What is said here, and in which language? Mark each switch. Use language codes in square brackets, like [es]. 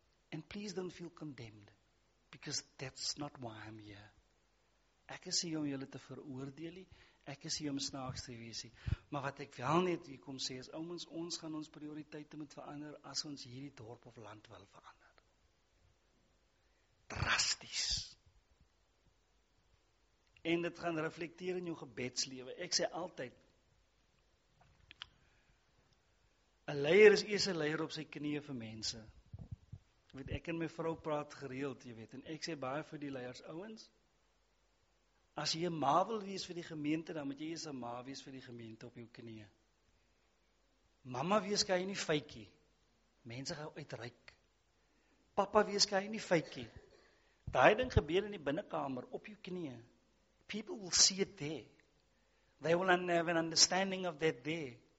[en] And please don't feel condemned, because that's not why I'm here. [af] Ek is hier om julle te veroordeel nie. Ek is hier om snaaks te wees nie. Maar wat ek wel net hier kom sê is, ouens, ons gaan ons prioriteite moet verander as ons hierdie dorp of land wil verander. Drasties. En dit gaan reflekteer in jou gebedslewe. Ek sê altyd, 'n leier is eers 'n leier op sy knieë vir mense. Weet, ek en my vrou praat gereeld, jy weet, en ek sê baie vir die leiers, ouens, as jy 'n ma wil wees vir die gemeente, dan moet jy eers 'n ma wees vir die gemeente op jou knieë. Mama wees kan jy nie feitjie. Mense gaan uitreik. Papa wees kan jy nie feitjie. Daai ding gebeur in die binnekamer, op jou knieë. [en] People will see it there. They will have an understanding of that there.